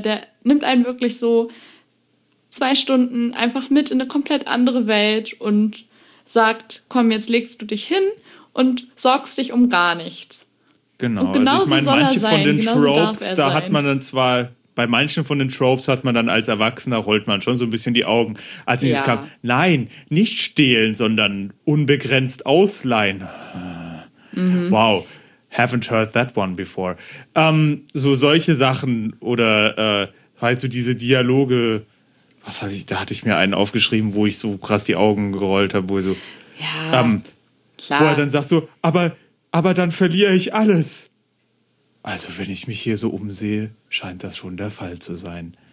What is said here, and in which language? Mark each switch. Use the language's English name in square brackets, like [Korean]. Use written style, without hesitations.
[German] Der nimmt einen wirklich so 2 Stunden einfach mit in eine komplett andere Welt und sagt, komm, jetzt legst du dich hin und sorgst dich um gar nichts. Genau. Und genauso, also ich meine, manche von den Tropes, da hat man dann zwar, bei manchen von den Tropes hat man dann als Erwachsener, rollt man schon so ein bisschen die Augen, als dieses kam, nein, nicht stehlen, sondern unbegrenzt ausleihen. Mhm. [English] Wow, haven't heard that one before. [German] So solche Sachen oder halt so diese Dialoge, da hatte ich mir einen aufgeschrieben, wo ich so krass die Augen gerollt habe, klar. Wo er dann sagt so, aber dann verliere ich alles. Also wenn ich mich hier so umsehe, scheint das schon der Fall zu sein.